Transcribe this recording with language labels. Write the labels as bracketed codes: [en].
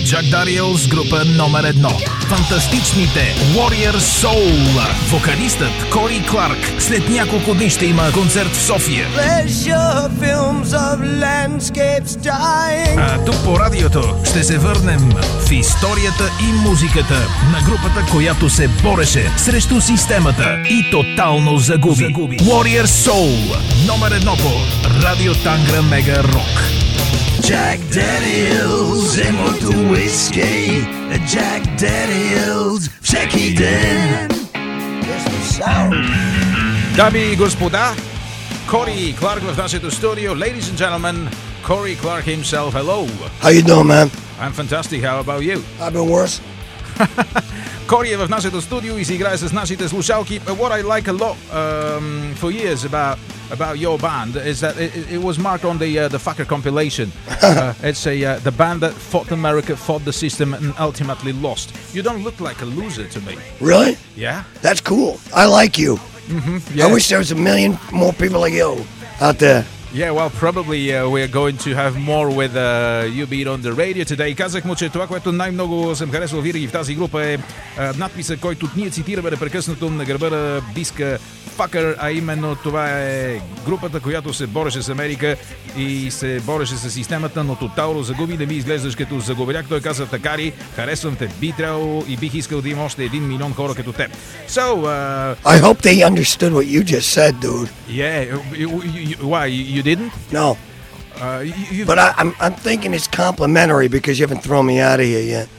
[bg] Джак Дариелс, група номер едно. Фантастичните Warrior Soul. Вокалистът Кори Кларк. След няколко дни ще има концерт в София. [en] Pleasure films of landscapes dying. [bg] А тук по радиото ще се върнем в историята и музиката на групата, която се бореше срещу системата и тотално загуби. Warrior Soul. Номер едно по Радио Тангра Мега Рок. Jack Daniels, имото уиски, Jack Daniels, всеки ден. Дами и господа, Кори Кларк в нашето студио. [en] Ladies and gentlemen, Кори Кларк himself, hello. How you doing, man? I'm fantastic, how about you? I've been worse. [bg] Кори е в нашето студио и си играе с нашите слушалки. [en] What I like a lot for years about your band is that it was marked on the Fucker compilation. The band that fought America, fought the system, and ultimately lost. You don't look like a loser to me. Really? Yeah. That's cool. I like you. Mm-hmm. Yeah. I wish there was a million more people like you out there. Yeah, well, probably we are going to have more with you being on the radio today. [bg] Казах му, че това, което най-много съм харесал винаги в тази група е надписът, който ние цитираме непрекъснато на гърба на диска Fucker, а именно това е групата, която се бореше с Америка и се бореше с системата, но тотално загуби. Да ми изглеждаш като загубеляк. Той каза, така ли, харесвам те, би трябвало и бих искал да има още 1 милион хора като теб. [en] So, I hope they understood what you just said, dude. Yeah, you didn't? No. But I'm thinking it's complimentary because you haven't thrown me out of here yet.